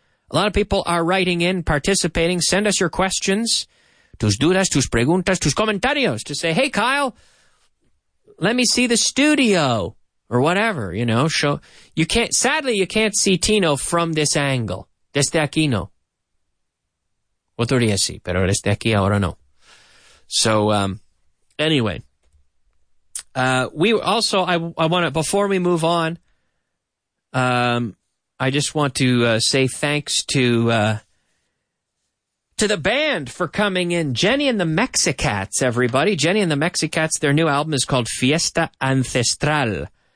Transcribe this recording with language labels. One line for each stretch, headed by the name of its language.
English: A lot of people are writing in, participating. Send us your questions,
Spanish: tus dudas, tus preguntas, tus comentarios,
English: to say, hey, Kyle, let me see the studio. Or whatever, you know, show. You can't, sadly, you can't see Tino from this angle.
Spanish: Desde aquí no. Otro sí, pero desde aquí ahora no.
English: So, anyway. I want to, before we move on, I just want to say thanks to the band for coming in. Jenny and the Mexicats, everybody. Jenny and the Mexicats, their new album is called Fiesta Ancestral.